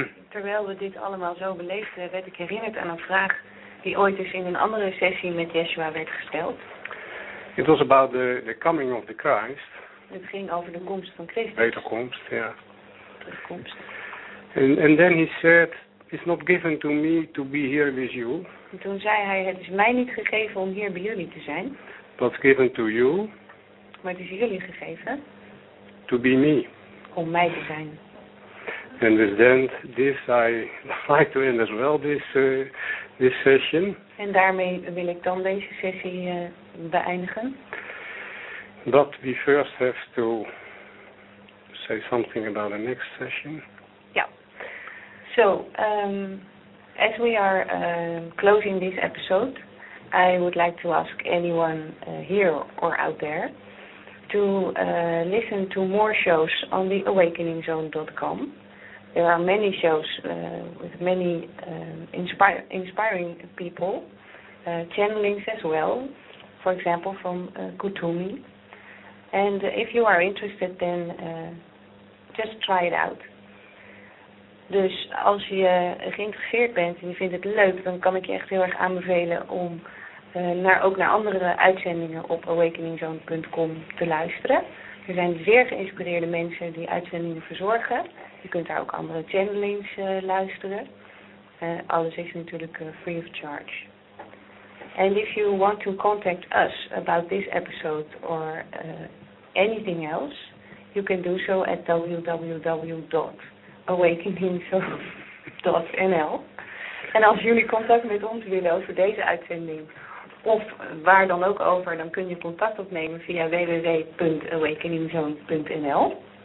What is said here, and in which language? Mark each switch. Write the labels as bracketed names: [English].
[Dutch] Terwijl we dit allemaal zo beleefden, werd ik herinnerd aan een vraag die ooit eens in een andere sessie met Yeshua werd gesteld. [English] It was about the coming of the Christ. [Dutch] Het ging over de komst van Christus. Wederkomst, ja. Yeah. Terugkomst. [English] And then he said, it's not given to me to be here with you. [Dutch] En toen zei hij, het is mij niet gegeven om hier bij jullie te zijn. [English] But given to you. [Dutch] Maar het is jullie gegeven. [English] To be me. [Dutch] Om mij te zijn. [English] And with this, I like to end as well this session. [Dutch] En daarmee wil ik dan deze sessie beëindigen. [English] But we first have to say something about the next session. Yeah. So, as we are closing this episode, I would like to ask anyone here or out there to listen to more shows on the awakeningzone.com. There are many shows with many inspiring people, channelings as well, for example from Kutumi. And if you are interested, then just try it out. [Dutch] Dus als je geïnteresseerd bent en je vindt het leuk, dan kan ik je echt heel erg aanbevelen om ook naar andere uitzendingen op awakeningzone.com te luisteren. Er zijn zeer geïnspireerde mensen die uitzendingen verzorgen. Je kunt daar ook andere channelings luisteren. Alles is natuurlijk [English] free of charge. And if you want to contact us about this episode or anything else, you can do so at www.awakeningzone.nl. [Dutch] En als jullie contact met ons willen over deze uitzending of waar dan ook over, dan kun je contact opnemen via www.awakeningzone.nl.